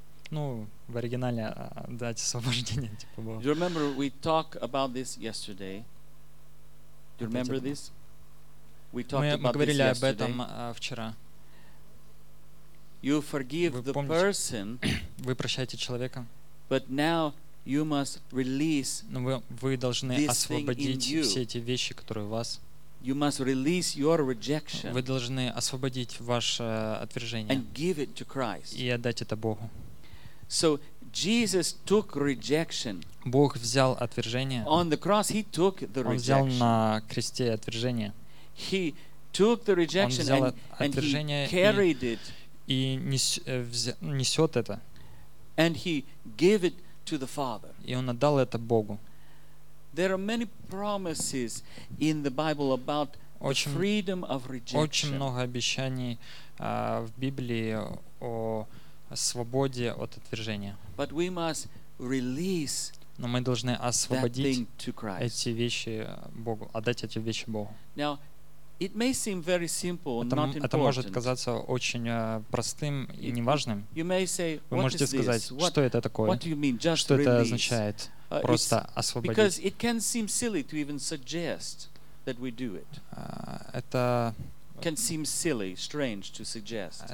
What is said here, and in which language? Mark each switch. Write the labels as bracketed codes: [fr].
[ru] Ну, в оригинале дать освобождение типа Богу. [en] Do you remember we talked about this yesterday? Do you remember this? We talked about this yesterday. [ru] Мы говорили об этом вчера. [en] You forgive the person. [ru] Вы прощаете человека. [en] But now you must release. [ru] Но вы должны освободить все эти вещи, которые у вас. [en] You must release your rejection. [ru] Вы должны освободить ваше отвержение. [en] And give it to Christ. [ru] И отдать это Богу. [en] So Jesus took rejection. [ru] Бог взял отвержение. [en] On the cross he took the rejection. [ru] Он взял на кресте отвержение. [en] He took the rejection and he carried it. [ru] И несет это. [en] And he gave it to the Father. [ru] И он отдал это Богу. [en] There are many promises in the Bible about the freedom of rejection. [ru] Очень много обещаний в Библии о свободе от отвержения. [en] But we must release [ru] Но мы должны освободить эти вещи Богу, отдать эти вещи Богу. [en] Now, it may seem very simple, not important. [ru] Это может казаться очень простым и неважным. [en] You may say, [ru] вы можете сказать, что это такое? [en] What do you mean, just [ru] что [en] release? [ru] Это означает? Просто освободить. [en] Because it can seem silly to even suggest that we do it. [ru] Это [en] can seem silly, strange to suggest.